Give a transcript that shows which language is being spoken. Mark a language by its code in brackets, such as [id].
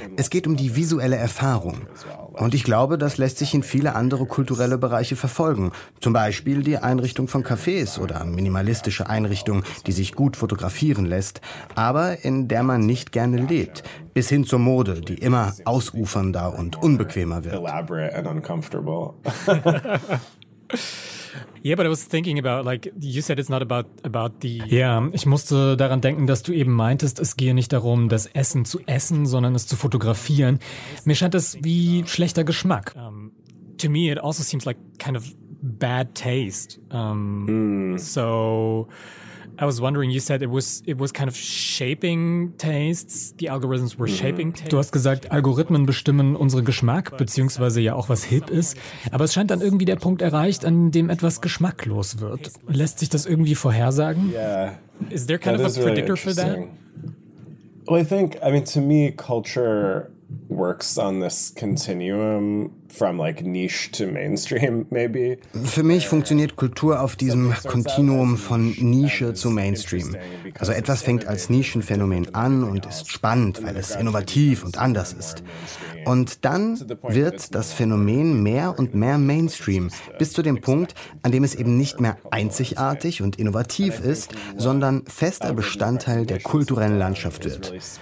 [de] Es geht um die visuelle Erfahrung. Und ich glaube, das lässt sich in viele andere kulturelle Bereiche verfolgen. Zum Beispiel die Einrichtung von Cafés oder minimalistische Einrichtung, die sich gut fotografieren lässt, aber in der man nicht gerne lebt. Bis hin zur Mode, die immer ausufernder und unbequemer wird. [en] Elaborate and uncomfortable. Yeah, but I was thinking about, like, you said it's not about the... [de] Ja, ich musste daran denken, dass du eben meintest, es gehe nicht darum, das Essen zu essen, sondern es zu fotografieren. Mir scheint das wie schlechter Geschmack. [en] To me, it also seems like kind of bad taste. So, I was wondering, you said it was kind of shaping tastes, the algorithms were shaping tastes. [de] Du hast gesagt, Algorithmen bestimmen unseren Geschmack, beziehungsweise ja auch, was hip ist. Aber es scheint dann irgendwie der Punkt erreicht, an dem etwas geschmacklos wird. Lässt sich das irgendwie vorhersagen? [en] Yeah. Is there kind that of a really predictor for that? Well, I think, I mean, to me, culture works on this continuum from like niche to mainstream, maybe. [de] Für mich funktioniert Kultur auf diesem Kontinuum von Nische zu Mainstream. Also etwas fängt als Nischenphänomen an und ist spannend, weil es innovativ und anders ist. Und dann wird das Phänomen mehr und mehr Mainstream, bis zu dem Punkt, an dem es eben nicht mehr einzigartig und innovativ ist, sondern fester Bestandteil der kulturellen Landschaft wird.